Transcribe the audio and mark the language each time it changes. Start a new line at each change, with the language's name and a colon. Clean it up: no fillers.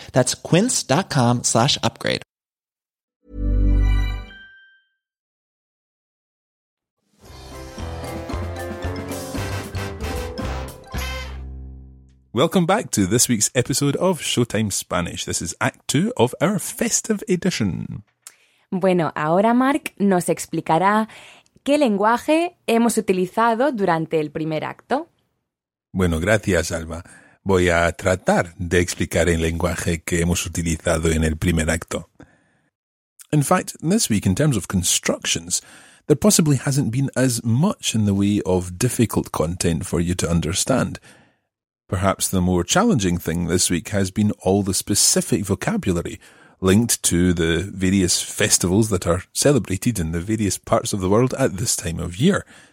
English: That's Quince.com/upgrade. Welcome back to this week's episode of Showtime Spanish. This is Act 2 of our festive edition.
Spanish: Bueno, ahora Mark nos explicará qué lenguaje hemos utilizado durante el primer acto. Bueno, gracias, Alba. Voy a tratar de explicar el lenguaje que hemos utilizado en el primer acto.
English: In fact, this week, in terms of constructions, there possibly hasn't been as much in the way of difficult content for you to understand. Perhaps the more challenging thing this week has been all the specific vocabulary linked to the various festivals that are celebrated in the various parts of the world at this time of year.